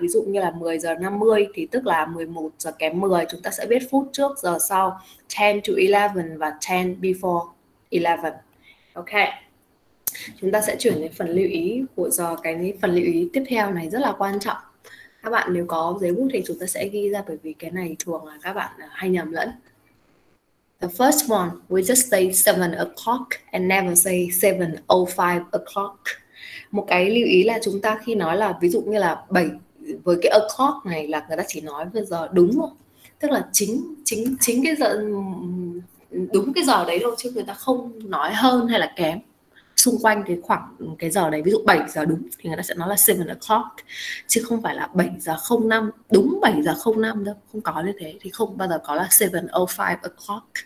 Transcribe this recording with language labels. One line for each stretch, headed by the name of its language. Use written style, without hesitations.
Vietnamese: Ví dụ như là 10:50 thì tức là 11:10, chúng ta sẽ viết phút trước giờ sau
English: 10 to 11
Vietnamese: và
English: 10 before 11.
Vietnamese: Ok. Chúng ta sẽ chuyển đến phần lưu ý của giờ, cái phần lưu ý tiếp theo này rất là quan trọng. Các bạn nếu có giấy bút thì chúng ta sẽ ghi ra, bởi vì cái này thường là các bạn hay nhầm lẫn.
English: The first one, we just say 7 o'clock and never say 7:05 o'clock.
Vietnamese: Một cái lưu ý là chúng ta khi nói là ví dụ như là 7, với cái o'clock này là người ta chỉ nói về giờ đúng thôi. Tức là chính chính chính cái giờ, đúng cái giờ đấy thôi, chứ người ta không nói hơn hay là kém. xung quanh cái khoảng cái giờ đấy, ví dụ 7 giờ đúng thì người ta sẽ nói là 7 o'clock, chứ không phải là 7 giờ 05, đúng 7 giờ 05 đâu, không có như thế, thì không bao giờ có là 7:05.